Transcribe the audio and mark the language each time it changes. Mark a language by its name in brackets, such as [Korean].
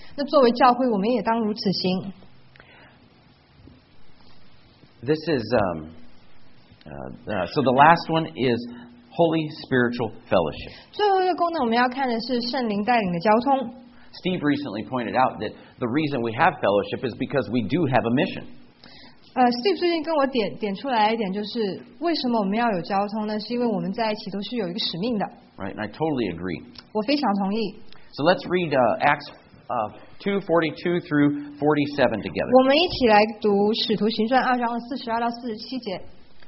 [Chinese] 那作为教会，我们也当如此行。 [English] This is so the last one is holy spiritual fellowship. [Chinese] 最后一个功能我们要看的是圣灵带领的交通。 [English] Steve recently pointed out that the reason we have fellowship is because we do have a mission. [Chinese] Steve 最近跟我点出来一点，就是为什么我们要有交通呢？是因为我们在一起都是有一个使命的。 [English] Right, and I totally agree. [Chinese] 我非常同意。 [English] So let's read Acts 2:42-47 together. [Chinese] 我们一起来读《使徒行传》2:42-47。